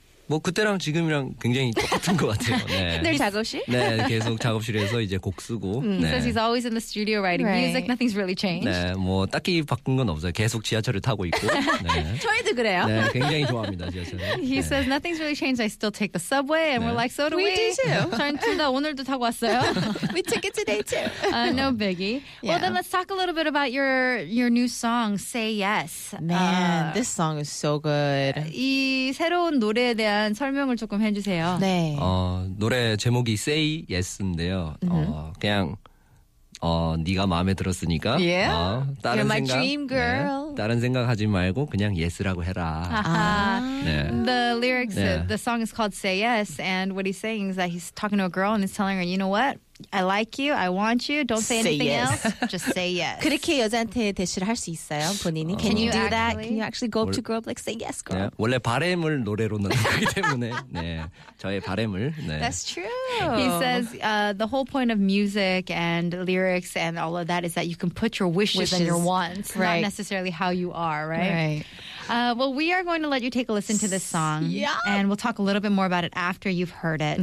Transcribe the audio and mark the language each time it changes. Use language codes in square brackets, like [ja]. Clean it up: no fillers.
[ko] 뭐 그때랑 지금이랑 굉장히 똑같은 것 같아요. 네. 늘 작업실? 네, 계속 작업실에서 이제 곡 쓰고. [en] He says he's always in the studio writing music. Nothing's really changed. [ko] 네, 뭐 딱히 바꾼 건 없어요. 계속 지하철을 타고 있고. 네. 저희도 그래요. 네, 굉장히 좋아합니다 지하철을. [en] He says nothing's really changed. I still take the subway, and we're like, so do we. We do too. [ko] 저희 둘 다 오늘도 타고 왔어요. [en] We took it today too. No biggie. Well, then let's talk a little bit about your new song, Say Yes. Man, this song is so good. [ko] 이 새로운 노래에 대한 설명을 조금 해주세요. 네. 노래 제목이 Say Yes인데요. 그냥 네가 마음에 들었으니까 다른 [en] You're my 생각, dream girl. 네, [ko] 다른 생각하지 말고 그냥 Yes라고 해라. 네. [en] The lyrics, the song is called Say Yes, and what he's saying is that he's talking to a girl and he's telling her, you know what? I like you. I want you. Don't say anything else. Just say yes. [ko] 그렇게 여자한테 대시를 할 수 있어요, 본인이? [en] Can you do that? Can you actually go up to a girl and be like, say yes, girl? [ko] 네, 원래 바람을 노래로 넣는 거기 때문에. 네, 저의 바람을. 네. [en] That's true. He says the whole point of music and lyrics and all of that is that you can put your wishes and your wants, not necessarily how you are, right? Right. Well, we are going to let you take a listen to this song. Yeah. And we'll talk a little bit more about it after you've heard it.